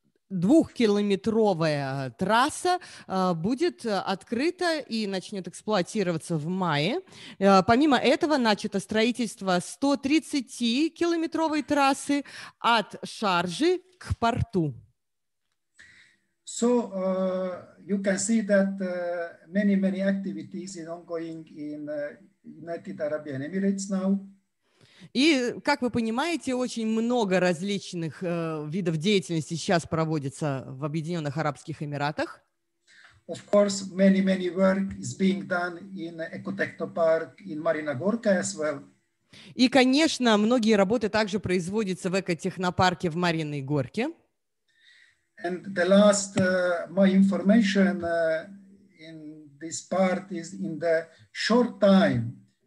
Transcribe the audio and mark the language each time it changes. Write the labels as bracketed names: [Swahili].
[Russian] Двухкилометровая трасса будет открыта и начнет эксплуатироваться в мае. Помимо этого, начато строительство 130-километровой трассы от Шаржи к порту. [English] So you can see that many, many activities are ongoing in United Arab Emirates now. [Russian] И, как вы понимаете, очень много различных видов деятельности сейчас проводится в Объединенных Арабских Эмиратах. [English] Of course, many, many work is being done in Ecotechnopark in Marina Gorka as well. [Russian] И, конечно, многие работы также производятся в Экотехнопарке в Мариной Горке. [English] And the last my information in this part is in the short time.